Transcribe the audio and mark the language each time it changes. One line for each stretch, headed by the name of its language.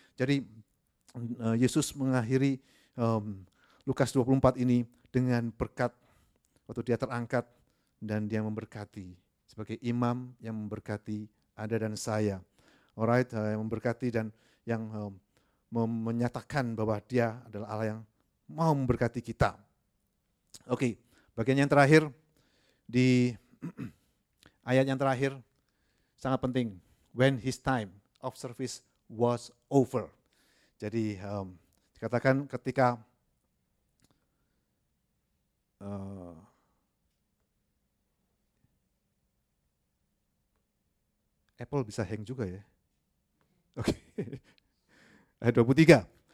Indonesian: Jadi Yesus mengakhiri Lukas 24 ini dengan berkat waktu dia terangkat dan dia memberkati sebagai imam yang memberkati Anda dan saya. Alright, yang memberkati dan yang menyatakan bahwa dia adalah Allah yang mau memberkati kita. Oke, bagian yang terakhir, di ayat yang terakhir, sangat penting.
English: When his time of service was over.
Indonesian: Jadi, dikatakan ketika Apple bisa hang juga ya. Oke, okay. Ayat 23.